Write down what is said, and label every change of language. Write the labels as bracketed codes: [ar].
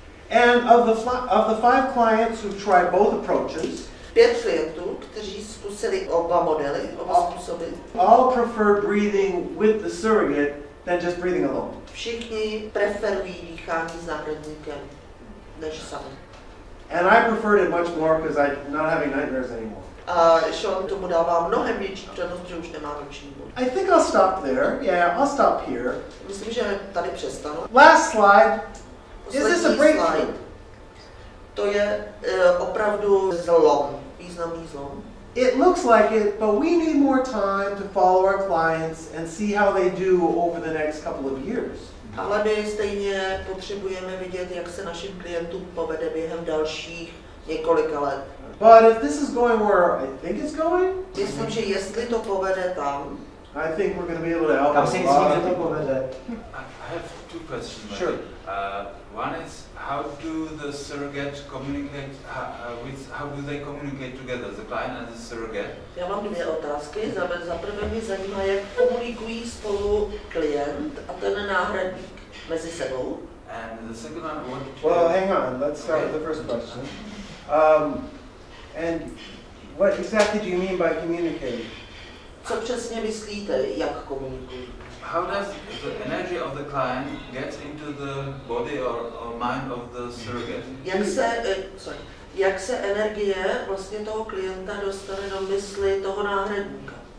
[en] And of the 5 clients who tried both approaches, [cs] 5 klientů, kteří zkusili oba modely, oba způsoby, [en] all prefer breathing with the surrogate than just breathing alone. [cs] Všichni preferují dýchání s náhradníkem než sami. [en] And I preferred it much more because I'm not having nightmares anymore. [cs] A Sean tomu dává mnohem větší přednost, že už nemá noční můry. [en] I think I'll stop there. Yeah, I'll stop here. [cs] Myslím, že tady přestanu. [en] Last slide. Is this a breakthrough? [cs] To je opravdu zlom, významný zlom. [en] It looks like it, but we need more time to follow our clients and see how they do over the next couple of years. [cs] Ale my stejně potřebujeme vidět, jak se našim klientům povede během dalších několika let. [en] But if this is going where I think it's going? [cs] Myslím, že jestli to povede tam. [en] I think we're going to be able to help. [cs] Tam si myslím, že to povede. [en] I have 2 questions. Sure. One is, how do the surrogate communicate, how do they communicate together, the client and the surrogate? [cs] Já mám 2 otázky. Za prvé mě zajímá, jak komunikují spolu klient a ten náhradník mezi sebou. [en] And the second one, what do Well, hang on, let's start with the first question. And what exactly do you mean by communicate? [cs] Co přesně myslíte, jak komunikují? [en] How does the energy of the client get into the body or mind of the surrogate? [cs] Jak se energie vlastně toho klienta dostane do mysli toho náhradníka?